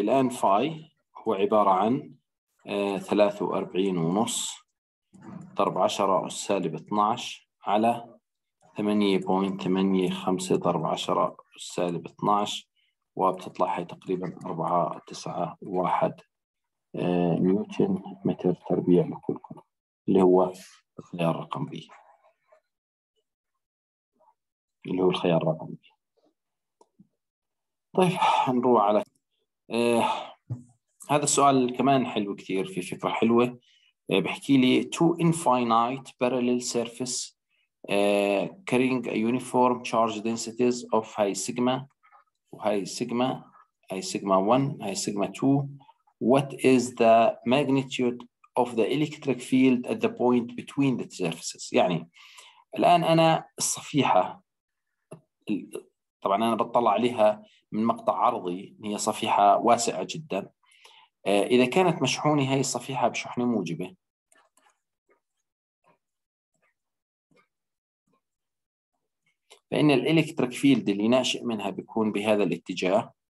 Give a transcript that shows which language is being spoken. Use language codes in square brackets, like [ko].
[ar] الآن فاي هو عبارة عن 43 ونص ضرب 10 سالب 12 على 8.85 ضرب 10 سالب 12، وبتطلع هاي تقريبا 4.91 نيوتن متر تربيع لكل كرة، اللي هو الخيار رقم بي، اللي هو الخيار رقم بي. طيب نروح على هذا السؤال كمان حلو كثير، في فكرة حلوة بحكي لي [en] two infinite parallel surface carrying a uniform charge densities of [ar] هاي سيجما وهاي سيجما، هاي سيجما 1 هاي سيجما 2، [en] what is the magnitude of the electric field at the point between the surfaces. [ar] يعني الآن أنا الصفيحة، طبعا أنا بطلع عليها من مقطع عرضي، هي صفيحة واسعة جدا، إذا كانت مشحونة هاي الصفيحة بشحنة موجبة، فإن الإلكتريك فيلد اللي ناشئ منها بيكون بهذا الاتجاه،